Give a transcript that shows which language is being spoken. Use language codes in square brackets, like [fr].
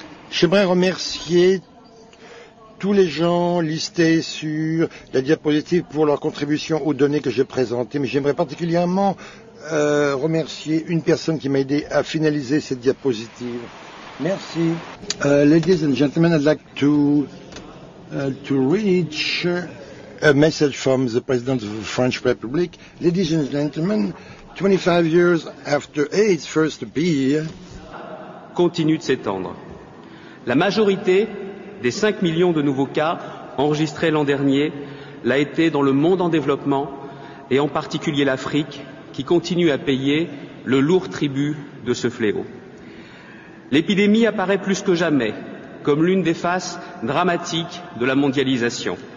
[fr] J'aimerais remercier tous les gens listés sur la diapositive pour leur contribution aux données que j'ai présentées, mais j'aimerais particulièrement remercier une personne qui m'a aidé à finaliser cette diapositive. Merci. [en] Ladies and gentlemen, I'd like to reach a message from the President of the French Republic. Ladies and gentlemen, 25 years after AIDS first appeared, [fr] continue de s'étendre. La majorité des 5 millions de nouveaux cas enregistrés l'an dernier l'a été dans le monde en développement et en particulier l'Afrique qui continue à payer le lourd tribut de ce fléau. L'épidémie apparaît plus que jamais comme l'une des faces dramatiques de la mondialisation.